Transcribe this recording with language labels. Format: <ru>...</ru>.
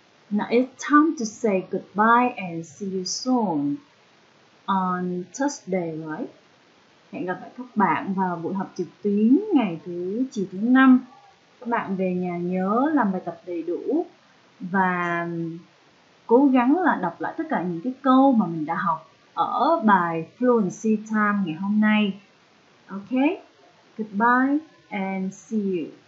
<en>Now it's time to say goodbye and see you soon on Thursday, right?</en> <vi>Hẹn gặp lại các bạn vào buổi học trực tuyến ngày thứ chiều thứ năm. Các bạn về nhà nhớ làm bài tập đầy đủ và cố gắng là đọc lại tất cả những cái câu mà mình đã học ở bài Fluency Time ngày hôm nay.</vi> <en>Okay, goodbye and see you.</en>